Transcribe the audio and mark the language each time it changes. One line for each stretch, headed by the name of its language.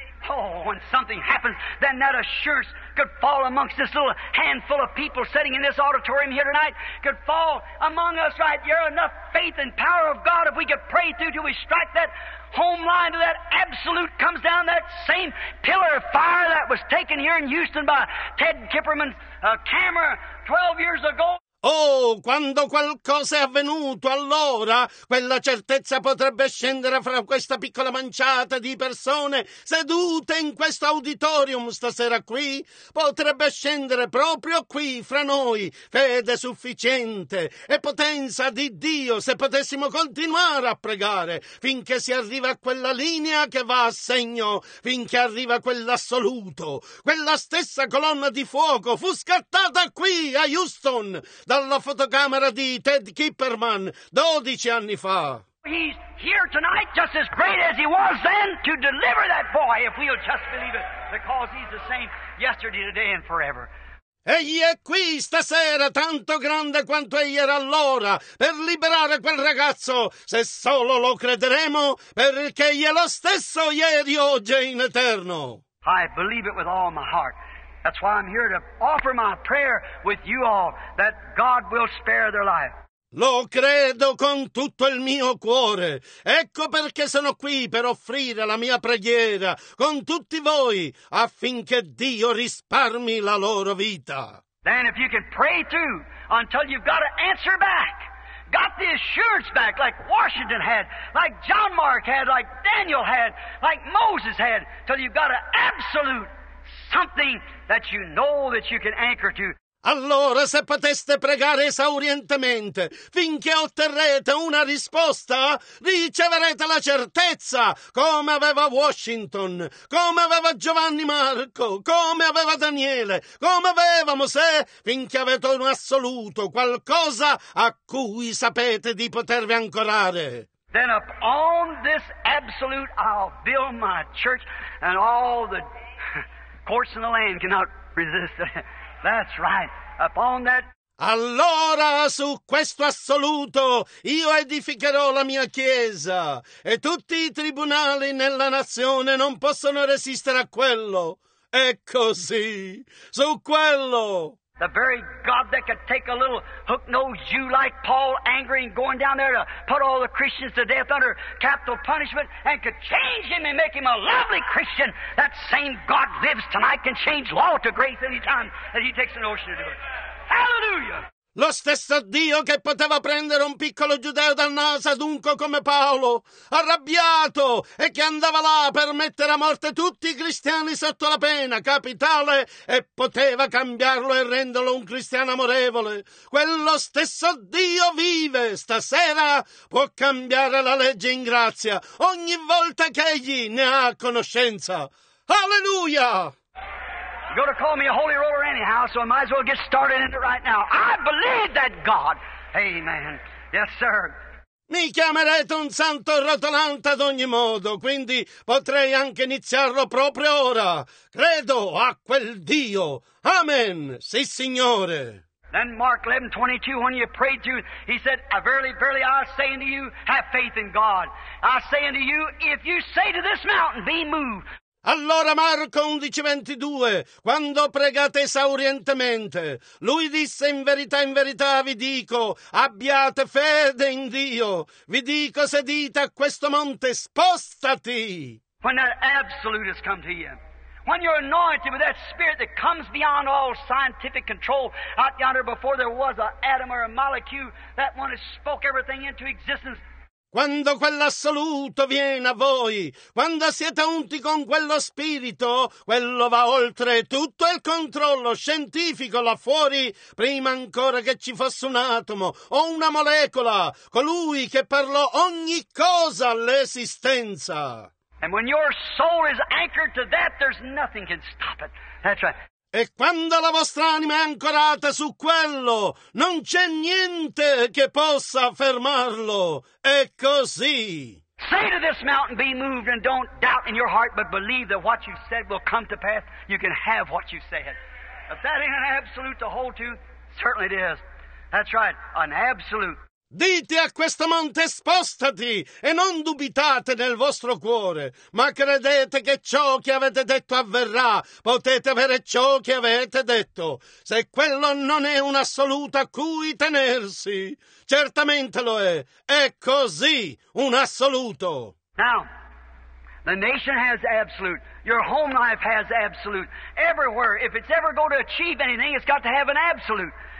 English: Oh, when something happens, then that assurance could fall amongst this little handful of people sitting in this auditorium here tonight, could fall among us right here. Enough faith and power of God if we could pray through till we strike that home line to that absolute comes down, that same pillar of fire that was taken here in Houston by Ted Kipperman's camera 12 years ago.
Italian: Oh, quando qualcosa è avvenuto, allora quella certezza potrebbe scendere fra questa piccola manciata di persone sedute in questo auditorium stasera qui. Potrebbe scendere proprio qui, fra noi, fede sufficiente e potenza di Dio se potessimo continuare a pregare finché si arriva a quella linea che va a segno, finché arriva quell'assoluto. Quella stessa colonna di fuoco fu scattata qui, a Houston, dalla fotocamera di Ted Kipperman 12 anni fa.
English: He's here tonight just as great as he was then to deliver that boy if we'll just believe it, because he's the same yesterday, today and forever.
Italian: Egli è qui stasera tanto grande quanto egli era allora per liberare quel ragazzo se solo lo crederemo, perché egli è lo stesso ieri, oggi e in eterno.
English: I believe it with all my heart. That's why I'm here to offer my prayer with you all that God will spare their life.
Italian: Lo credo con tutto il mio cuore. Ecco perché sono qui per offrire la mia preghiera con tutti voi affinché Dio risparmi la loro vita.
English: Then if you can pray through until you've got an answer back, got the assurance back like Washington had, like John Mark had, like Daniel had, like Moses had, till you've got an absolute something that you know that you can anchor to.
Italian: Allora, se poteste pregare esaurientemente, finché otterrete una risposta, riceverete la certezza, come aveva Washington, come aveva Giovanni Marco, come aveva Daniele, come aveva Mosè, finché avete un assoluto, qualcosa a cui sapete di potervi ancorare.
English: Then upon this absolute I'll build my church and all the courts in the land cannot resist. That's right. Upon that.
Italian: Allora, su questo assoluto, io edificherò la mia chiesa. E tutti i tribunali nella nazione non possono resistere a quello. È così. Su quello.
English: The very God that could take a little hook-nosed Jew like Paul angry and going down there to put all the Christians to death under capital punishment and could change him and make him a lovely Christian, that same God lives tonight, can change law to grace any time that he takes an ocean to do it. Hallelujah!
Italian: Lo stesso Dio che poteva prendere un piccolo giudeo dal naso adunco come Paolo, arrabbiato, e che andava là per mettere a morte tutti i cristiani sotto la pena capitale, e poteva cambiarlo e renderlo un cristiano amorevole. Quello stesso Dio vive stasera, può cambiare la legge in grazia ogni volta che egli ne ha conoscenza. Alleluia!
English: You're going to call me a holy roller anyhow, so I might as well get started in it right now. I believe that God. Amen. Yes, sir.
Italian: Mi chiamerete un santo rotolante ad ogni modo, quindi potrei anche iniziarlo proprio ora. Credo a quel Dio. Amen. Sì, Signore.
English: Then Mark 11:22, when you prayed to, he said, verily, verily, I say unto you, have faith in God. I say unto you, if you say to this mountain, be moved.
Italian: Allora Marco 11:22, quando pregate esaurientemente, lui disse, in verità vi dico, abbiate fede in Dio. Vi dico, se dite a questo monte, spostati.
English: When that absolute has come to you. When you're anointed with that spirit that comes beyond all scientific control, out yonder before there was an atom or a molecule, that one that spoke everything into existence.
Italian: Quando quell'assoluto viene a voi, quando siete unti con quello spirito, quello va oltre tutto il controllo scientifico là fuori, prima ancora che ci fosse un atomo o una molecola, colui che parlò ogni cosa all'esistenza.
English: And when your soul is anchored to that, there's nothing can stop it. That's right.
Italian: E quando la vostra anima è ancorata su quello, non c'è niente che possa fermarlo. È così.
English: Say to this mountain, be moved, and don't doubt in your heart, but believe that what you said will come to pass. You can have what you said. If that ain't an absolute to hold to, certainly it is. That's right, an absolute.
Italian: Dite a questo monte, spostati, e non dubitate nel vostro cuore, ma credete che ciò che avete detto avverrà. Potete avere ciò che avete detto. Se quello non è un assoluto a cui tenersi, certamente lo è. È così, un assoluto.
English: Now, the nation has absolute. Your home life has absolute. Everywhere, if it's ever going to achieve anything, it's got to have an absolute.